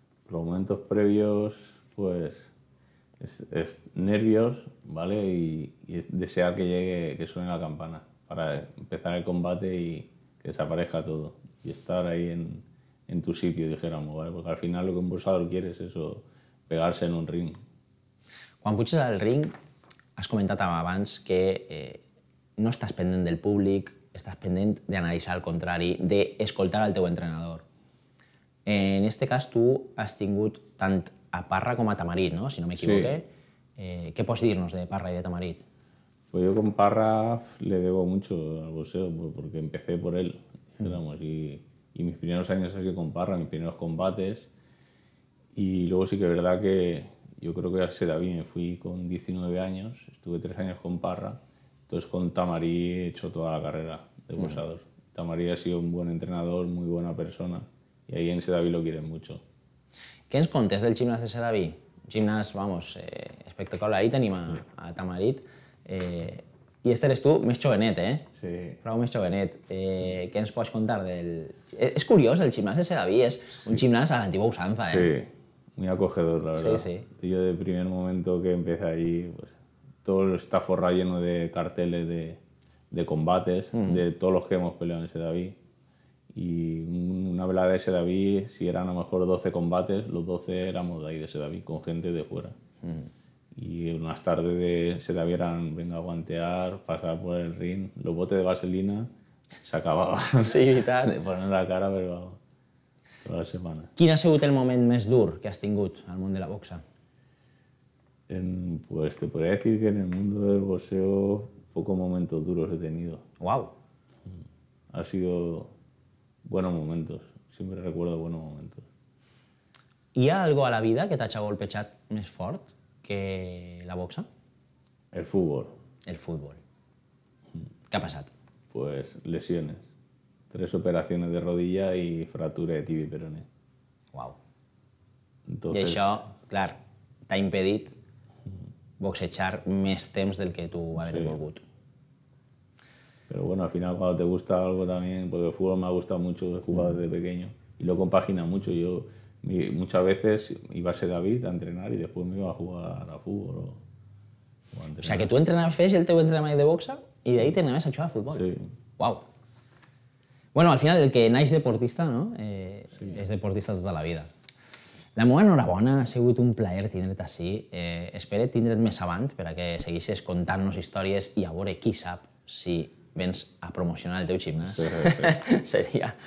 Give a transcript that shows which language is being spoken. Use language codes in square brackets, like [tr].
[es] Los momentos previos, pues, es nervios, ¿vale? Y es desear que llegue, que suene la campana, para empezar el combate y que desaparezca todo y estar ahí en tu sitio, dijéramos, ¿vale? Porque al final lo que un boxeador quiere es eso, pegarse en un ring. [ca] Quan puges al ring, has comentat abans que no estàs pendent del públic, estàs pendent d'analitzar el contrari, d'escoltar el teu entrenador. En este cas, tu has tingut tant a Parra com a Tamarit, no? Si no m'equivoque. Sí. Què pots dir-nos de Parra i de Tamarit? [es] Pues yo con Parra le debo mucho al boxeo, porque empecé por él, digamos, y mis primeros años ha sido con Parra, mis primeros combates, y luego sí que es verdad que yo creo que a Sedaví me fui con 19 años, estuve 3 años con Parra, entonces con Tamarí he hecho toda la carrera de boxeador. Tamarí ha sido un buen entrenador, muy buena persona, y ahí en Sedaví lo quieren mucho. ¿Qué nos contes del gimnasio de Sedaví? Gimnasio, vamos, espectacular, ahí tenemos a Tamarit. [ca] I este eres tu més jovenet, eh? Sí. Prou més jovenet. Què ens pots contar del... És curiós, el gimnàs de Sedaví és un gimnàs a l'antigua usanza, eh? [es] Sí, muy acogedor, la verdad. Sí, sí. Yo de primer momento que empecé allí, pues, todo está forrado lleno de carteles de combates, de todos los que hemos peleado en Sedaví. Y una velada de Sedaví, si eran a lo mejor 12 combates, los 12 éramos de ahí, de Sedaví, con gente de fuera. Y unas tardes de Sedaví eran, venga a guantear, pasar por el ring, los botes de vaselina, se acababa. Sí, y tal. De poner la cara, pero toda la semana. ¿Quién ha sido el momento más duro que has tenido al mundo de la boxa? Pues te podría decir que en el mundo del boxeo pocos momentos duros he tenido. ¡Wow! Ha sido buenos momentos. Siempre recuerdo buenos momentos. [ca] ¿Hi ha algo a la vida que t'ha golpejat més fort que la boxa? [es] El fútbol. El fútbol. ¿Qué ha passat? Pues lesiones. 3 operaciones de rodilla y fractura de tibia y peroné. Wow. [ca] Entonces, y això, clar, t'ha impedit boxejar més temps del que tu hagués volgut. [es] Pero bueno, al final cuando te gusta algo también, porque el fútbol me ha gustado mucho, he jugado desde pequeño y lo compagina mucho. Yo muchas veces iba a ser David a entrenar y después me iba a jugar a fútbol. O sea, que tú entrenabas, [ca] fes el teu entrenament de boxa [es] y de ahí te anaves a jugar a fútbol. Sí. [ca] Wow. Bueno, al final, el que naix deportista, no? Sí. És deportista tota la vida. La meva enhorabona, ha sigut un plaer tindre't ací. Espero tindre't més avant perquè seguixis contant-nos històries i a veure qui sap si vens a promocionar el teu gimnàs. Sí, sí.